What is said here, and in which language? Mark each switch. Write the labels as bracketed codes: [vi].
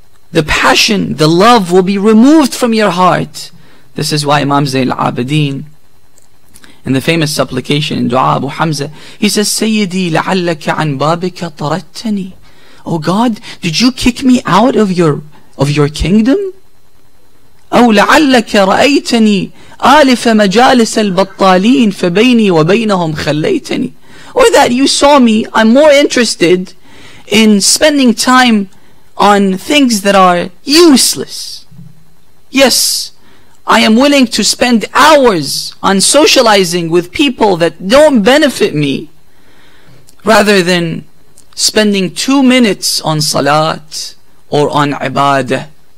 [en] The passion, the love will be removed from your heart. This is why Imam Zain al-Abideen, in the famous supplication in Dua Abu Hamza, he says, [ar] Sayyidi la'allaka an babika tarattani. [en] Oh God, did you kick me out of your kingdom? [ar] أو لعلك رأيتني آلف مجالس البطالين فبيني وبينهم خليتني. [en] Or that you saw me, I'm more interested in spending time on things that are useless. Yes, I am willing to spend hours on socializing with people that don't benefit me, rather than spending 2 minutes on salat or on ibadah.